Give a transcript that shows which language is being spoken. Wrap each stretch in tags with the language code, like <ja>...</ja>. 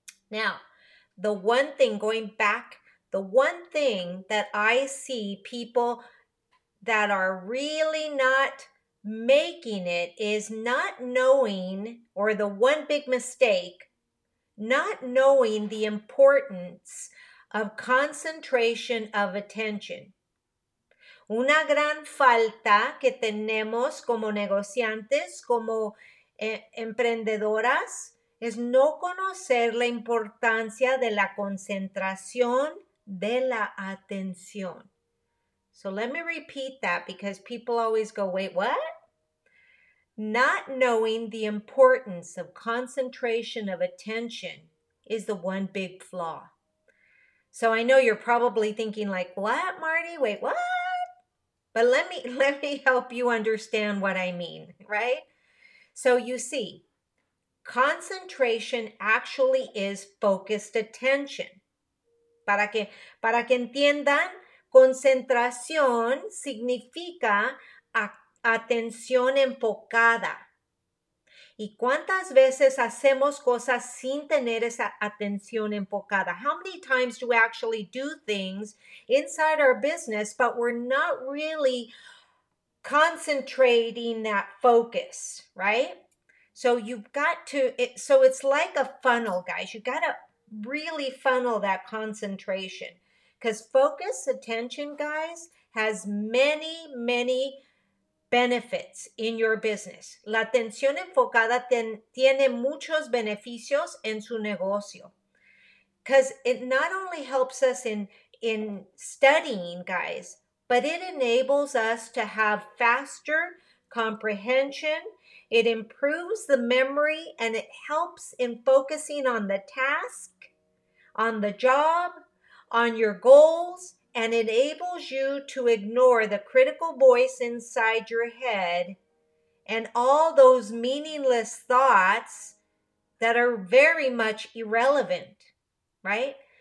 <en>Now, the one thing going back, the one thing that I see people that are really not making it is not knowing, or the one big mistake, not knowing the importance of concentration of attention.</en> <es>Una gran falta que tenemos como negociantes, como emprendedoras, es no conocer la importancia de la concentración de la atención.</es> <en>So let me repeat that because people always go, wait, what? Not knowing the importance of concentration of attention is the one big flaw. So I know you're probably thinking like, what, Marty? Wait, what? But let me help you understand what I mean, right? So you see, concentration actually is focused attention.</en> <es>Para que entiendan, concentración significa atención enfocada. ¿Y cuántas veces hacemos cosas sin tener esa atención enfocada?</es> <en>How many times do we actually do things inside our business, but we're not really concentrating that focus, right? So it's like a funnel, guys. You got to really funnel that concentration. Because focus, attention, guys, has many, many benefits in your business.</en> <es>La atención enfocada tiene muchos beneficios en su negocio.</es> <en>Because it not only helps us in studying, guys, but it enables us to have faster comprehension. It improves the memory and it helps in focusing on the task, on the job, on your goals, and enables you to ignore the critical voice inside your head and all those meaningless thoughts that are very much irrelevant, right?</en>